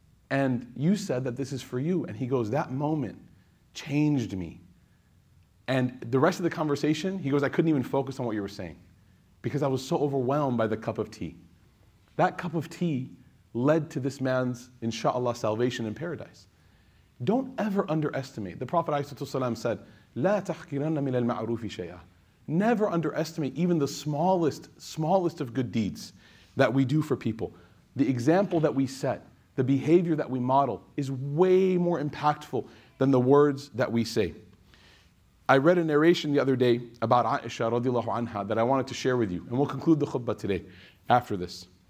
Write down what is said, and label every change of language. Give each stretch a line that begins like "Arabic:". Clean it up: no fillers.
English: And you said that this is for you. And he goes, that moment changed me. And the rest of the conversation, he goes, I couldn't even focus on what you were saying because I was so overwhelmed by the cup of tea. That cup of tea led to this man's, inshallah, salvation in paradise. Don't ever underestimate. The Prophet ﷺ said,
Arabic: لَا تَحْكِرَنَّ مِنَ الْمَعْرُوفِ شَيْئًا.
English: Never underestimate even the smallest of good deeds that we do for people. The example that we set, the behavior that we model is way more impactful than the words that we say. I read a narration the other day about Aisha radiallahu anha that I wanted to share with you. And we'll conclude the khutbah today after this.